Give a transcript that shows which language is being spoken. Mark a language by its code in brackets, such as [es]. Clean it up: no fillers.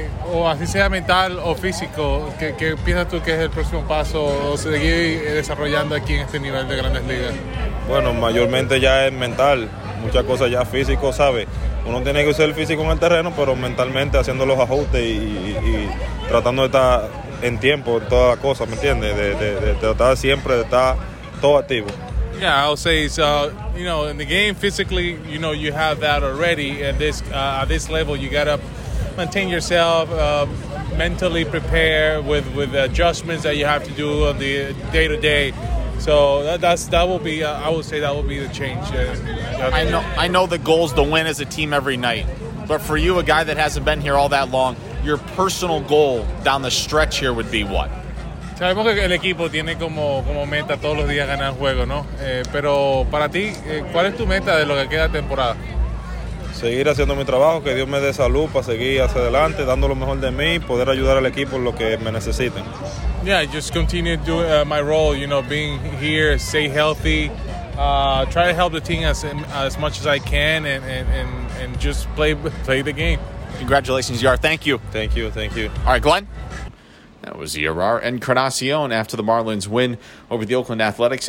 [es] O así sea mental o físico, ¿qué piensas tú que es el próximo paso o seguir desarrollando aquí en este nivel de Grandes Ligas? Bueno, mayormente ya es mental, muchas cosas ya físico, ¿sabes? Uno tiene que ser físico en el terreno, pero mentalmente haciendo los ajustes y tratando de estar en tiempo en todas las cosas, ¿me entiendes? De tratar siempre de estar todo activo. [en] Yeah, I'll say it's, in the game physically, you know, you have that already. At this level, you got to maintain yourself, mentally prepare with adjustments that you have to do on the day-to-day. So that will be the change. I know the goal is to win as a team every night, but for you, a guy that hasn't been here all that long, your personal goal down the stretch here would be what? [es] Sabemos que el equipo tiene como meta todos los días ganar juegos, ¿no? Pero para ti, ¿cuál es tu meta de lo que queda temporada? Seguir haciendo mi trabajo, que Dios me dé salud para seguir hacia adelante, dando lo mejor de mí, poder ayudar al equipo en lo que me necesiten. [en] Yeah, just continue to do my role, you know, being here, stay healthy, try to help the team as much as I can, and just play the game. Congratulations, Yar. Thank you. Thank you. Thank you. All right, Glenn. That was Yarar Encarnacion after the Marlins win over the Oakland Athletics.